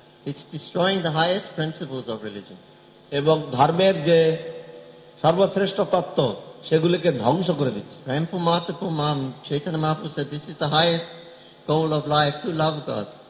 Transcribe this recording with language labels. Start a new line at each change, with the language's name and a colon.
English: It's destroying the highest principles of religion.
Bangla: এবং ধর্মের যে সর্বশ্রেষ্ঠ তত্ত্ব সেগুলিকে ধ্বংস করে দিচ্ছে।
English: Rampo Matapu Mam Chaitanya Mahaprabhu said this is the highest goal of life, to love God.